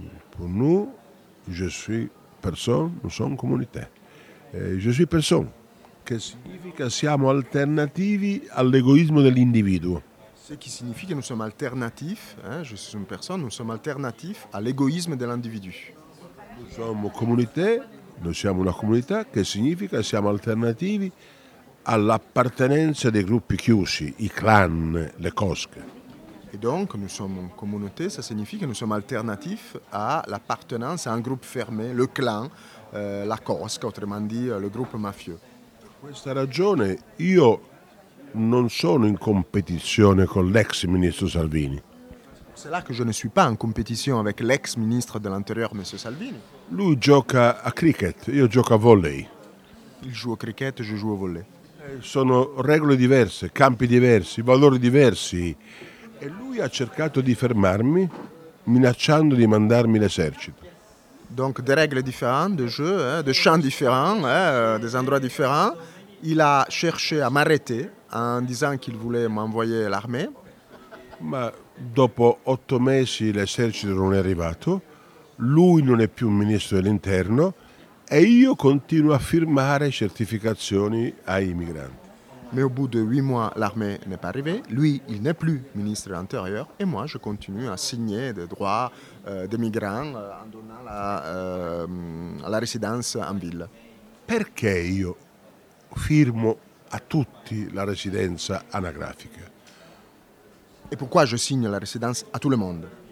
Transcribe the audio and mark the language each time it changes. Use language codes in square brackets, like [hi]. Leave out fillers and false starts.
[fr] Pour nous, je suis personne, nous sommes communauté. Je suis personne. [it] Che significa? Siamo alternativi all'egoismo dell'individuo. [fr] Ce qui signifie que nous sommes alternatifs, hein, je suis une personne, nous sommes alternatifs à l'égoïsme de l'individu. Nous sommes communauté, nous [it] siamo una comunità, che significa? Siamo alternativi all'appartenenza dei gruppi chiusi, i clan, le cosche. [fr] Et donc, nous sommes une communauté, ça signifie que nous sommes alternatifs à l'appartenance à un groupe fermé, le clan, la cosca, autrement dit, le groupe mafieux. Pour cette raison, [it] io non sono in compétizione con l'ex ministro Salvini. [fr] C'est là que je ne suis pas en compétition avec l'ex ministre de l'Intérieur, M. Salvini. [it] Lui gioca a cricket, io gioco a volley. [fr] Il joue au cricket, je joue au volley. [it] Sono regole diverse, campi diversi, valori diversi. E lui ha cercato di fermarmi minacciando di mandarmi l'esercito. [fr] Donc des règles différentes de jeu, hein, de champs différents, hein, des endroits différents. Il a cherché à m'arrêter en disant qu'il voulait m'envoyer l'armée. [it] Ma dopo 8 mesi l'esercito non è arrivato, lui non è più ministro dell'interno e io continuo a firmare certificazioni ai migranti. [fr] Mais au bout de 8 mois, l'armée n'est pas arrivée. Lui, il n'est plus ministre de l'Intérieur. Et moi, je continue à signer des droits des migrants en donnant la résidence en ville. [it] Perché io firmo a tutti la résidence anagrafica? [fr] Et pourquoi je signe la résidence à tout le monde?